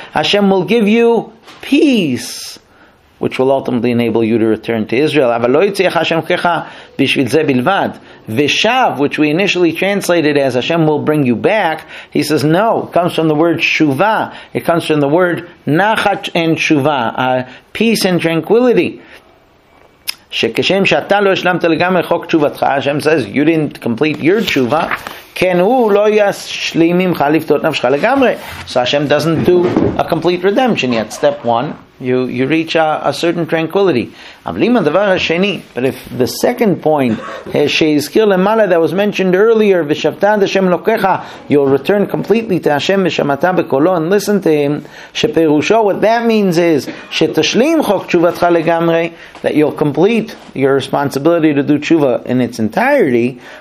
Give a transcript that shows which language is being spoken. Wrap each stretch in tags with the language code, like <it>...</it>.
<en>Hashem will give you peace, which will ultimately enable you to return to Israel.</en> <he>Aval lo yitzeach Hashem kecha bishvil ze bilvad.</he> <en>Vishav, which we initially translated as Hashem will bring you back, he says, no, it comes from the word shuva. It comes from the word nachat and shuva, peace and tranquility.</en> <he>שכשם שאתה לא השלמת לגמרי חוק תשובתך, השם</he> <en>says, you didn't complete your</en> <he>תשובה, כן הוא לא ישלים ממך לפתות נפשך לגמרי.</he> <en>So השם doesn't do a complete redemption yet. Step one, you reach a certain tranquility.</en> <he>אבל אם הדבר השני,</he> <en>but if the second point,</en> <he>שהזכיר למעלה,</he> <en>that was mentioned earlier,</en> <he>ושבתה עד השם לוקחה,</he> <en>you'll return completely to השם</en> <he>ושמעתה בקולו,</he> <en>and listen to him,</en> <he>שפירושו,</he> <en>what that means is,</en> <he>שתשלים חוק תשובתך לגמרי,</he> <en>that you'll complete your responsibility to do תשובה in its entirety.</en>